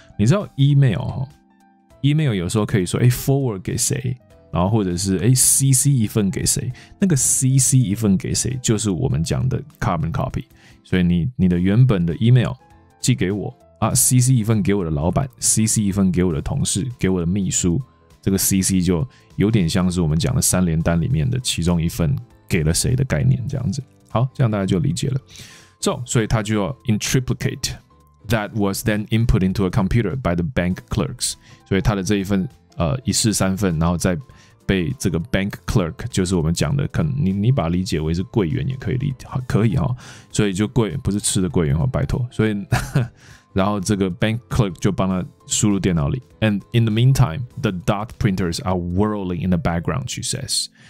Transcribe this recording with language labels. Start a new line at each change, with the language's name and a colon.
Chinese: 你知道 email 有时候可以说forward 给谁，然后或者是cc 一份给谁，那个 cc 一份给谁就是我们讲的 carbon copy。所以你的原本的 email 寄给我。啊 ，CC 一份给我的老板 ，CC 一份给我的同事，给我的秘书，这个 CC 就有点像是我们讲的三连单里面的其中一份给了谁的概念，这样子。好，这样大家就理解了。所以他就要
English: in triplicate that was then input into a computer by the bank clerks。
Chinese: 所以他的这一份一式三份，然后再被这个 bank clerk， 就是我们讲的，可能你把它理解为是柜员也可以理解，可以哈。所以就柜不是吃的柜员哈，拜托。所以。然后这个 bank clerk 就帮他输入电脑里。
English: And in the meantime, the dot printers are whirling in the background, she says.